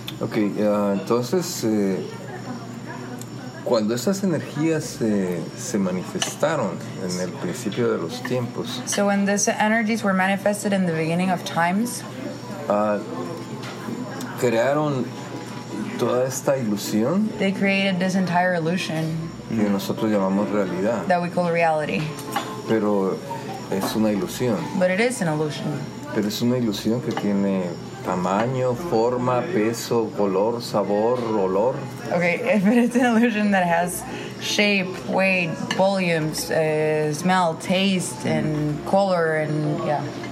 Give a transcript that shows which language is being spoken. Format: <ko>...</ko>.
<es>Okay, entonces, cuando esas energías se manifestaron en el principio de los tiempos.</es> <en>So when these energies were manifested in the beginning of times.</en> <es>Crearon toda esta ilusión.</es> <en>They created this entire illusion.</en> <es>Que nosotros llamamos realidad.</es> <en>That we call reality.</en> <es>Pero es una ilusión.</es> <en>But it is an illusion.</en> <es>Pero es una ilusión que tiene tamaño, forma, peso, color, sabor, olor.</es> <en>Okay, but it's an illusion that has shape, weight, volumes, smell, taste, and color, and yeah.</en>